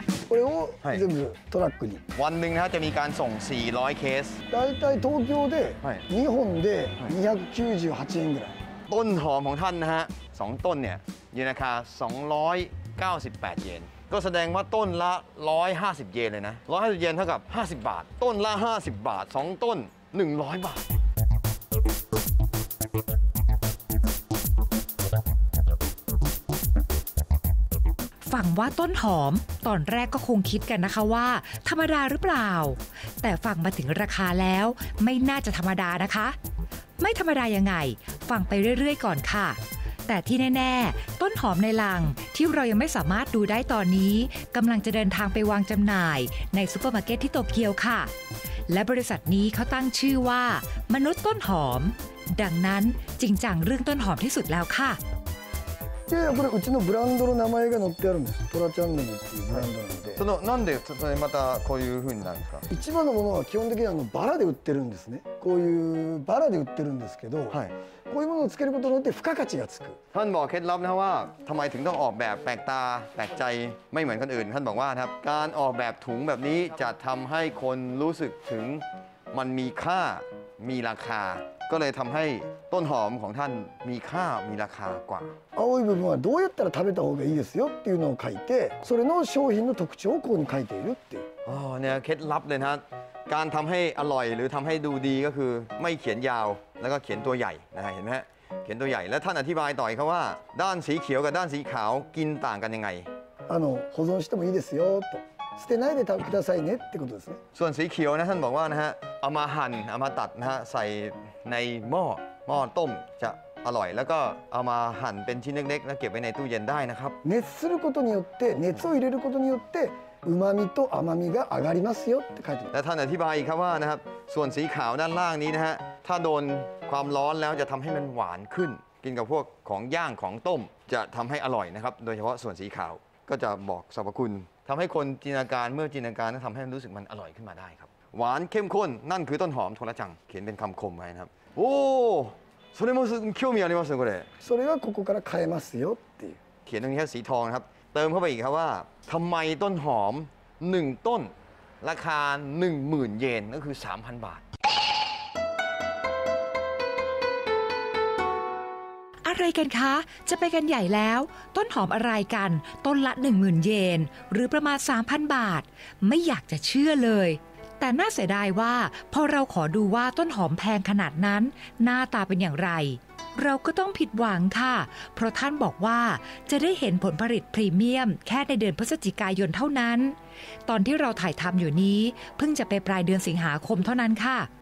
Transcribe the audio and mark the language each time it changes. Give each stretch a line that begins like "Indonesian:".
Japanese: これを全部トラックに。
Thai: วันหนึ่งนะจะมีการส่ง400เคส。
Japanese: 大体東京で2本で298円ぐらい。
Thai: ต้นหอมของท่านนะฮะ2ต้นเนี่ยอยู่ในราคา298เยนก็แสดงว่าต้นละ150เยนเลยนะ150เยนเท่ากับ50บาทต้นละ50บาท2ต้น100บาท ฟังว่าต้นหอมตอนแรกก็คงคิดกันนะคะว่าธรรมดาหรือเปล่าแต่ฟังมาถึงราคาแล้วไม่น่าจะธรรมดานะคะไม่ธรรมดายังไงฟังไปเรื่อยๆก่อนค่ะแต่ที่แน่ๆต้นหอมในลังที่เรายังไม่สามารถดูได้ตอนนี้กำลังจะเดินทางไปวางจำหน่ายในซูเปอร์มาร์เก็ตที่โตเกียวค่ะและบริษัทนี้เขาตั้งชื่อว่ามนุษย์ต้นหอมดังนั้นจริงจังเรื่องต้นหอมที่สุดแล้วค่ะ
Japanese: でこれうちのブランドの名前が載ってあるんです。トラチャンネルっていうブランドなんで。そのなんでそれまたこういう風になるんですか。一番のものは基本的にあのバラで売ってるんですね。こういうバラで売ってるんですけど、はい、こういうものをつけることによって付加価値がつく。
Thai: ท่านบอกเคล็ดลับนะว่าทำไมถึงต้องออกแบบแปลกตาแปลกใจไม่เหมือนคนอื่นท่านบอกว่าครับการออกแบบถุงแบบนี้จะทำให้คนรู้สึกถึงมันมีค่ามีราคาก็เลยทำให้ต้นหอมของท่านมีค่ามีราคากว่า เอาอีกแบบว่า
Japanese: どうやったら食べた方がいいですよっていうのを書いてそれの商品の特徴をここに書いているってい
Thai: うอ๋อเนี่ยเคล็ดลับเลยนะการทำให้อร่อยหรือทำให้ดูดีก็คือไม่เขียนยาวแล้วก็เขียนตัวใหญ่นะเห็นไหมเขียนตัวใหญ่แล้วท่านอธิบายต่อยเขาว่าด้านสีเขียวกับด้านสีขาวกินต่างกันยังไง
Japanese: あの保存してもいいですよと捨てないでくださいねってことですね。
Thai: ส่วนสีเขียวนะท่านบอกว่านะฮะเอามาหั่นเอามาตัดนะฮะใส่ในหม้อต้มจะอร่อยแล้วก็เอามาหั่นเป็นชิ้นเล็กๆแล้วเก็บไว้ในตู้เย็นได้นะครับ
Japanese: 熱することによって熱を入れることによってうまみと甘みが上がりますよって書いて
Thai: และท่านอธิบายอีกครับว่านะครับส่วนสีขาวด้านล่างนี้นะฮะถ้าโดนความร้อนแล้วจะทำให้มันหวานขึ้นกินกับพวกของย่างของต้มจะทำให้อร่อยนะครับโดยเฉพาะส่วนสีขาวก็จะบอกสรรพคุณทำให้คนจินตนาการเมื่อจินตนาการทำให้มันรู้สึกมันอร่อยขึ้นมาได้ครับหวานเข้มข้นนั่นคือต้นหอมโทระจังเขียนเป็นคำคมไว้นะครับโอ้
Japanese: それも興味ありますこれそれはここから買えますよっていう
Thai: เขียนตรงนี้แค่สีทองครับเติมเข้าไปอีกครับว่าทำไมต้นหอม1ต้นราคา 10,000 เยนก็คือ 3,000 บาท อะไรกันคะจะไปกันใหญ่แล้วต้นหอมอะไรกันต้นละ 10,000 เยนหรือประมาณ 3,000 บาทไม่อยากจะเชื่อเลยแต่น่าเสียดายว่าพอเราขอดูว่าต้นหอมแพงขนาดนั้นหน้าตาเป็นอย่างไรเราก็ต้องผิดหวังค่ะเพราะท่านบอกว่าจะได้เห็นผลผลิตพรีเมียมแค่ในเดือนพฤศจิกายนเท่านั้นตอนที่เราถ่ายทำอยู่นี้เพิ่งจะไปปลายเดือนสิงหาคมเท่านั้นค่ะ